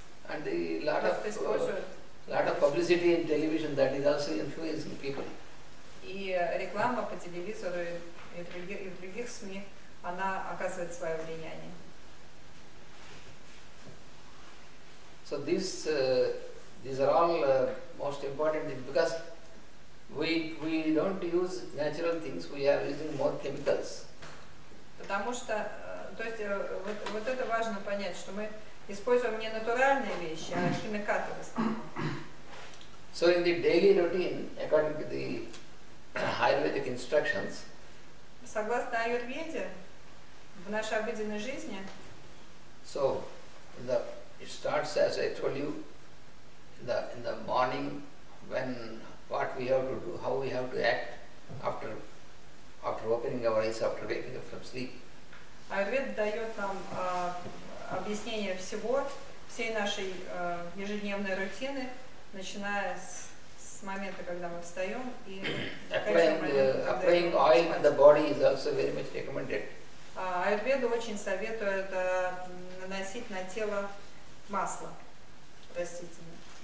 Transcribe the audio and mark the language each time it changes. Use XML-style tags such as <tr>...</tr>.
<en>And the lot of publicity in television, that is also influencing people.</en> <ru>И реклама по телевизору и в других СМИ, она оказывает свое влияние.</ru> <en>So these are all most important things, because we don't use natural things, we are using more chemicals.</en> <ru>Потому что, то есть, вот это важно понять, что мы используем не натуральные вещи, а химикаты в основном.</ru> <en>So in the daily routine, according to the Ayurvedic instructions,</en> <ru>согласно Аюрведе, в нашей обыденной жизни,</ru> <en>so it starts, as I told you, in the morning, when what we have to do, how we have to act after opening our eyes, after waking up from sleep.</en> <ru>Аюрведа дает нам объяснение всей нашей ежедневной рутины, начиная с момента, когда мы встаем и</ru> <en>applying oil on the body is also very much recommended.</en> <ru>Аюрведа очень советует наносить на тело масло растительное.</ru>